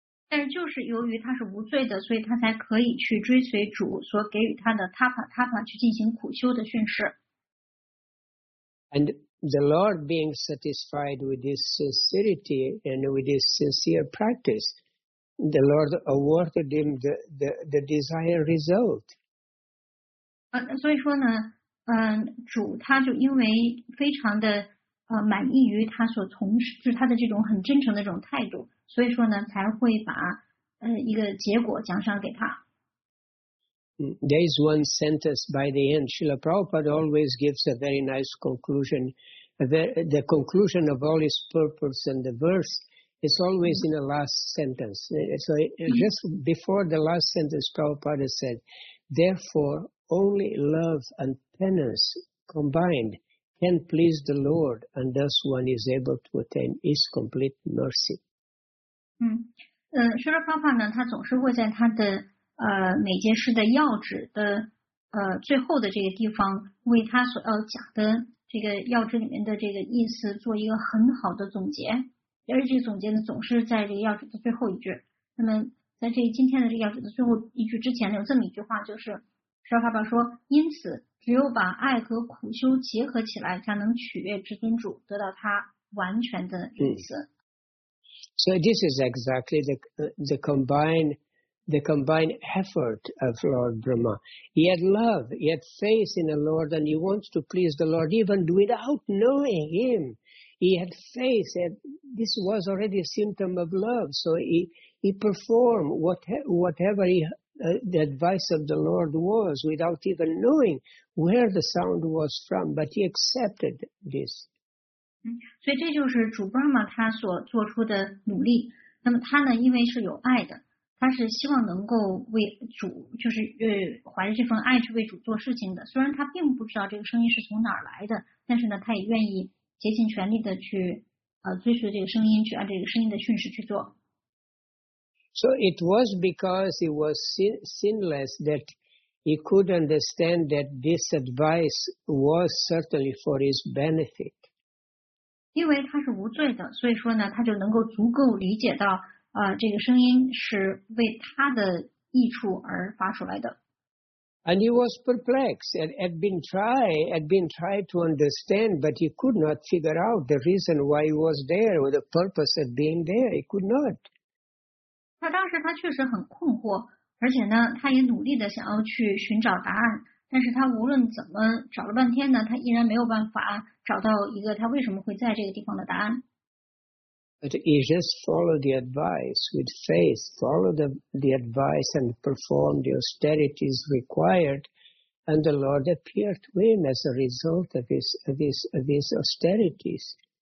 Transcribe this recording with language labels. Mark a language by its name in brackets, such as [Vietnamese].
[Chinese] 但是就是由于他是无罪的，所以他才可以去追随主所给予他的 tapa 去进行苦修的训示。 [English] And the Lord being satisfied with his sincerity and with his sincere practice, the Lord awarded him the desired result. [Chinese] 所以说呢，主他就因为非常的满意于他所从事他的这种很真诚的这种态度。所以说呢，才会把一个结果奖赏给他。 [English] There is one sentence by the end. Srila Prabhupada always gives a very nice conclusion. The conclusion of all his purpose and the verse is always in the last sentence. So just before the last sentence, Prabhupada said, "Therefore, only love and penance combined can please the Lord, and thus one is able to attain His complete mercy." [Chinese] 说到方法呢，他总是会在他的每节诗的要旨的最后的这个地方，为他所要讲的这个要旨里面的这个意思做一个很好的总结，而这个总结呢总是在这个要旨的最后一句。那么在这今天的这个要旨的最后一句之前呢，有这么一句话，就是释迦牟尼佛说，因此只有把爱和苦修结合起来，才能取悦至尊主，得到他完全的意思。 [English] So this is exactly the combined effort of Lord Brahma. He had love, he had faith in the Lord, and he wants to please the Lord even without knowing him. He had faith, and this was already a symptom of love. So he performed whatever the advice of the Lord was without even knowing where the sound was from, but he accepted this. [Chinese] 所以这就是主 Brahma 他所做出的努力。那么他呢，因为是有爱的，他是希望能够为主，就是怀着这份爱去为主做事情的。虽然他并不知道这个声音是从哪儿来的，但是呢，他也愿意竭尽全力的去追随这个声音，去按这个声音的训示去做。 [English] So it was because he was sinless that he could understand that this advice was certainly for his benefit. [Chinese] 因为他是无罪的，所以说呢，他就能够足够理解到，这个声音是为他的益处而发出来的。 [English] And he was perplexed and had been tried to understand, but he could not figure out the reason why he was there or the purpose of being there. He could not. [Chinese] 他当时他确实很困惑，而且呢，他也努力的想要去寻找答案。但是他无论怎么找了半天呢，他依然没有办法找到一个他为什么会在这个地方的答案。 [English] But he just followed the advice with faith, followed the advice and performed the austerities required, and the Lord appeared to him as a result of his austerities.